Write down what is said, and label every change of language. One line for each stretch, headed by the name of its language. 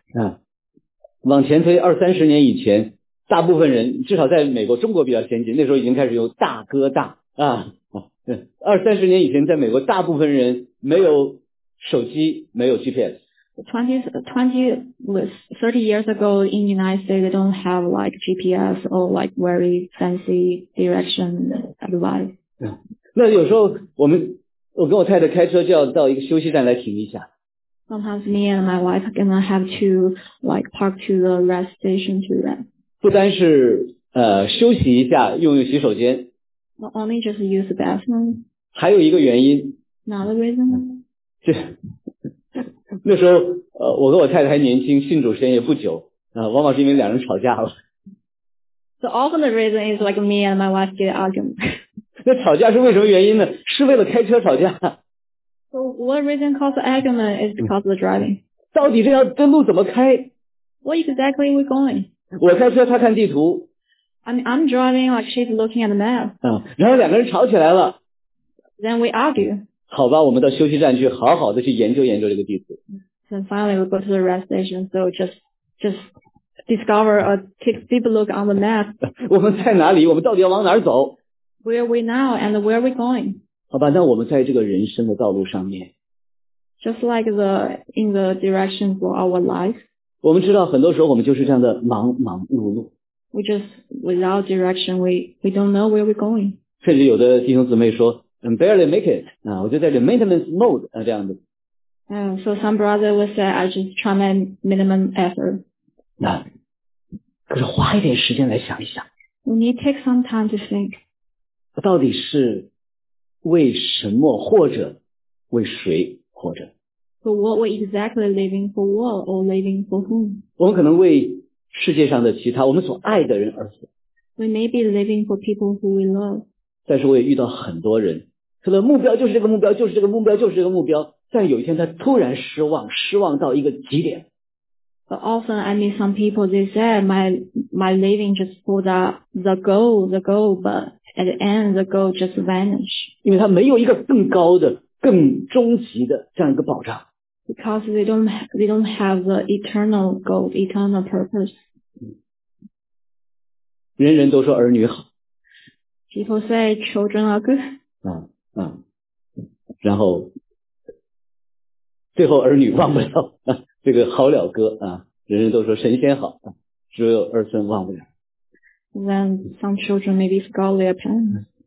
Chinese: 啊，往前推二三十年以前，大部分人至少在美国，中国比较先进，那时候已经开始用大哥大啊。二三十年以前，在美国，大部分人没有手机，没有 GPS.
English: 30 years ago in the United States, they don't have like GPS or like very fancy direction advice.
Chinese: 那有时候我跟我太太开车就要到一个休息站来停一下。
English: Sometimes me and my wife are gonna have to like park to the rest station to rest.
Chinese: 不单是休息一下，用用洗手间。
English: Not only just use the bathroom.
Chinese: 还有一个原因。
English: Another reason.
Chinese: 那时候我跟我太太还年轻，信主时间也不久啊、往往是因为两人吵架了。
English: So often the reason is like me and my wife get argument.
Chinese: 那吵架是为什么原因呢？是为了开车吵架。
English: So what reason cause the argument is because of the driving.
Chinese: 到底这条路怎么开？
English: What exactly we going?
Chinese: 我开车，他看地图。
English: I'm driving like she's looking at the map.
Chinese: 然后两个人吵起来了。
English: Then we argue.
Chinese: 好吧，我们到休息站去，好好的去研究研究这个地图。
English: Then finally we go to the rest station, so just discover or take a deep look on the map.
Chinese: 我们在哪里？我们到底要往哪儿走
English: ？Where are we now and where are we going?
Chinese: 好吧，那我们在这个人生的道路上面。
English: Just like the in the direction for our life.
Chinese: 我们知道很多时候我们就是这样的忙忙碌碌。
English: We just without direction, we don't know where we're going.
Chinese: 甚至有的弟兄姊妹说。
English: And barely make it.
Chinese: 啊，我就在这
English: maintenance mode
Chinese: 啊，这样的。
English: So some brother would say, I just try my minimum effort.
Chinese: 那，可是花一点时间来想一想。
English: We need take some time to think.
Chinese: 到底是为什么，或者为谁活着
English: ？So what we exactly living for? What or living for whom?
Chinese: 我们可能为世界上的其他我们所爱的人而活。
English: We may be living for people who we love.
Chinese: 但是我也遇到很多人，他的目标就是这个目标，就是这个目标，就是这个目标。但有一天他突然失望，失望到一个极点。
English: But often I meet some people. They say my living just for the goal, but at the end the goal just vanish.
Chinese: 因为他没有一个更高的、更终极的这样一个保障。
English: Because they don't have the eternal goal, eternal purpose.
Chinese: 人人都说儿女好。
English: People say children are good.
Chinese: 然后最后儿女忘不了这个好了歌啊，人人都说神仙好，只有儿孙忘不了。
English: Then some children maybe forgot their parents.